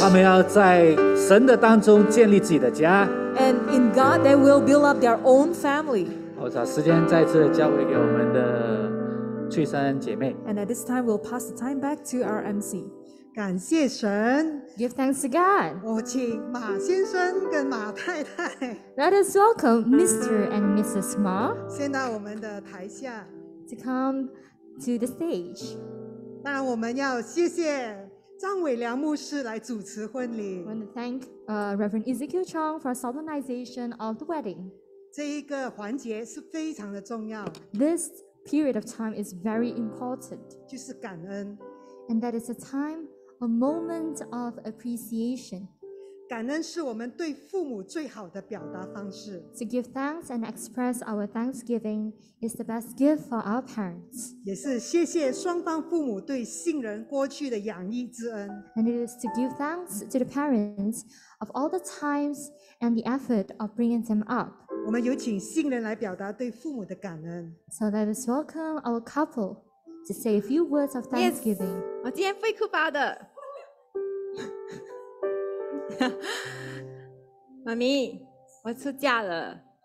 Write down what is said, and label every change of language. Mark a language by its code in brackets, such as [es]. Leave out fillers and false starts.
[zh] 他们要在神的当中建立自己的家 [en] And in God they will build up their own family. [zh] 我把时间再次交回给我们的翠珊姐妹 [en] And at this time we'll pass the time back to our MC. [zh] 感谢神 [en] Give thanks to God. [zh] 我请马先生跟马太太 [en] Let us welcome Mr. and Mrs. Ma [zh] 先到我们的台下 [en] To comeTo the stage. [zh] 那我们要谢谢张伟良牧师来主持婚礼。 [en] I want to thank Reverend Ezekiel Chong for solemnization of the wedding. [zh] 这一个环节是非常的重要。 [en] This period of time is very important. [zh] 就是感恩。 [en] And that is a time, a moment of appreciation. [zh] 感恩是我们对父母最好的表达方式。 [en] To give thanks and express our thanksgiving is the best gift for our parents. [zh] 也是谢谢双方父母对新人过去的养育之恩。 [en] And it is to give thanks to the parents of all the times and the effort of bringing them up. [zh] 我们有请新人来表达对父母的感恩。 [en] So let us welcome our couple to say a few words of thanksgiving. [zh] Yes, 我今天不会哭包的。妈咪，我出嫁了。